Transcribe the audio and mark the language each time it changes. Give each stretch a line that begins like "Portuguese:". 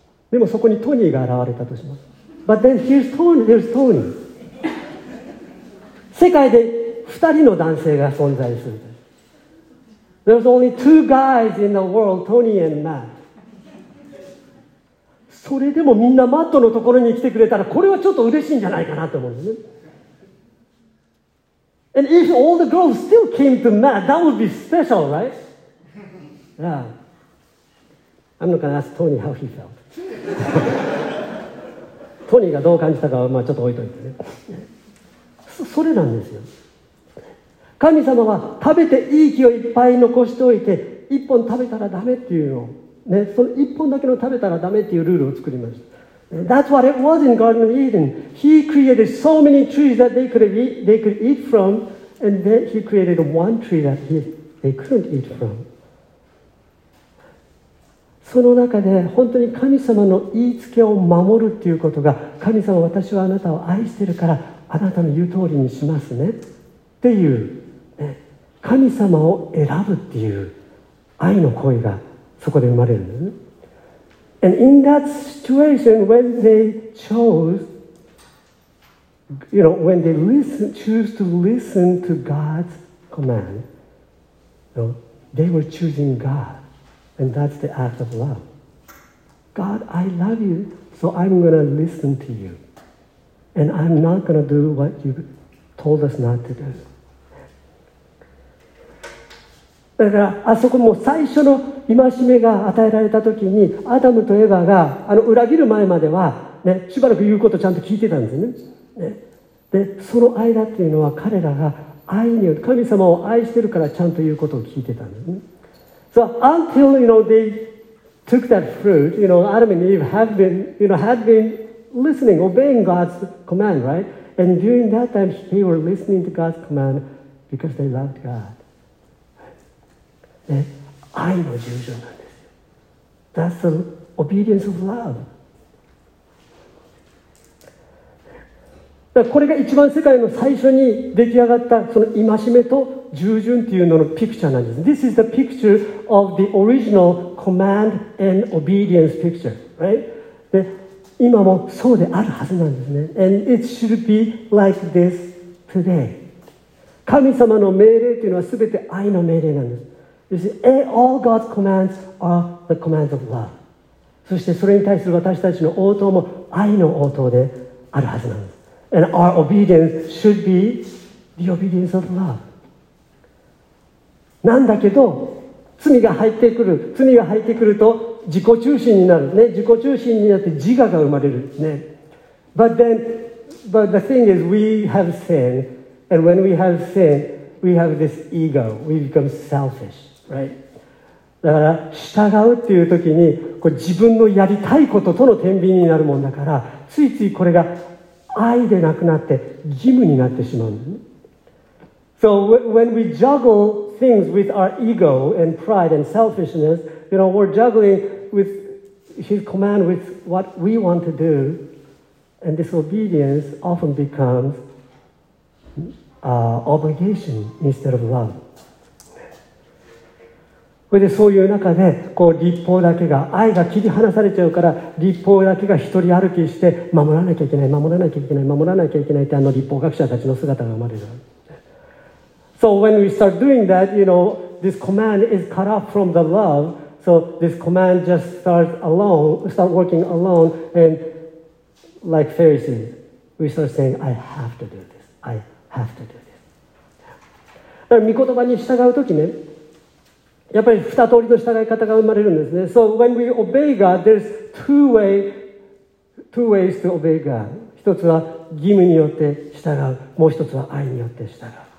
Japanese: でもそこにトニーが現れたとします。
English: But then here's Tony, there's Tony.
Japanese: 世界で二人の男性が存在する。
English: There's only two guys in the world, Tony and Matt.
Japanese: それでもみんなマットのところに来てくれたら、これはちょっと嬉しいんじゃないかなと思うんですね。
English: And if all the girls still came to Matt, that would be special, right? Yeah. I'm not gonna ask Tony how he felt.
Japanese: Tony がどう感じたかはまあちょっと置いといてね。それなんですよ。神様は食べていい気をいっぱい残しておいて、一本食べたらダメっていうのを、ね、その一本だけの食べたらダメっていうルールを作りました。
English: That's what it was in Garden of Eden. He created so many trees that they could eat from, and then he created one tree that they couldn't eat from.
Japanese: その中で本当に神様の言いつけを守るっていうことが、神様、私はあなたを愛してるからあなたの言う通りにしますねっていう、ね、神様を選ぶっていう愛の声がそこで生まれるんですね。
English: And in that situation, when they chose, you know, when they listen, choose to listen to God's command, you know, they were choosing God. And that's the act of love. God, I love you, so I'm going to listen to you. And I'm not going to do what you told us not to do.
Japanese: だからあそこも最初の戒めが与えられた時に、アダムとエヴァがあの裏切る前までは、ね、しばらく言うことをちゃんと聞いてたんですね。ね、でその間っていうのは彼らが愛によって神様を愛してるからちゃんと言うことを聞いてたんですね。
English: So until you know they took that fruit, you know Adam and Eve had been listening, obeying God's command, right? And during that time, they were listening to God's command because they loved God.
Japanese: ね、愛の従順なんです。
English: That's the obedience of love。
Japanese: これが一番世界の最初に出来上がったその戒めと従順っていうののピクチャーなんです。
English: This is the picture of the original command and obedience picture, right?
Japanese: で、今もそうであるはずなんですね。
English: And it should be like this today。
Japanese: 神様の命令というのはすべて愛の命令なんです。
English: You see, all God's commands are the commands of love.
Japanese: そしてそれに対する私たちの応答も愛の応答であるはずなんです。
English: And our obedience should be the obedience of love.
Japanese: なんだけど、罪が入ってくると自己中心になる。ね、自己中心になって自我が生まれる。
English: ね。But the thing is, we have sin. And when we have sin, we have this ego. We become selfish. Right.
Japanese: だから従うっていう時に、こう自分のやりたいこととの天秤になるもんだから、ついついこれが愛でなくなって義務になってしまう。
English: So when we juggle things with our ego and pride and selfishness, you know, we're juggling with his command with what we want to do, and disobedience often becomes obligation instead of love.
Japanese: でそういう中で、こう立法だけが、愛が切り離されちゃうから、立法だけが一人歩きして、守らなきゃいけないって、あの立法学者たちの姿が生まれる。
English: So when we start doing that, you know, this command is cut off from the love, so this command just start working alone, and like Pharisees, we start saying, I have to do this.
Japanese: だから、御言葉に従うときね、やっぱり二通りの従い方が生まれるんですね。
English: So when we obey God, there's two ways to obey God.
Japanese: 一つは義務によって従う。もう一つは愛によって従う。